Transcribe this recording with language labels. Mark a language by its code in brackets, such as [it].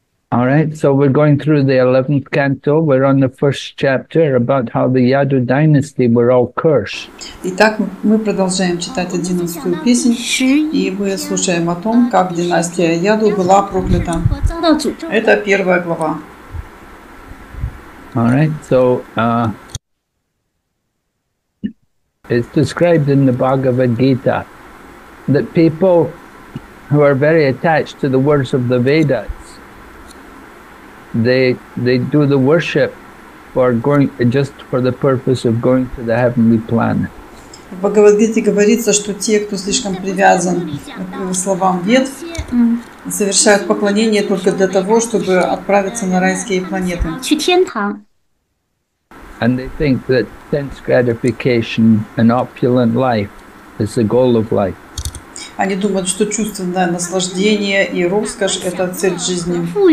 [en] All right, so we're going through the 11th canto. We're on the first chapter about how the Yadu dynasty were all cursed. [ru] Итак, мы продолжаем читать 11-ю песнь, и мы слушаем о том, как династия Яду была проклята. Это первая глава. [en] All right, so it's described in the Bhagavad Gita that people who are very attached to the words of the Vedas, they do the worship for going just for the purpose of going to the heavenly planet. [ru] В Бхагавад-гите говорится, что те, кто слишком привязан к словам Вед, совершают поклонение только для того, чтобы отправиться на райские планеты. [en] And they think that sense gratification and opulent life is the goal of life. [ru] Они думают, что чувственное наслаждение и роскошь – это цель жизни.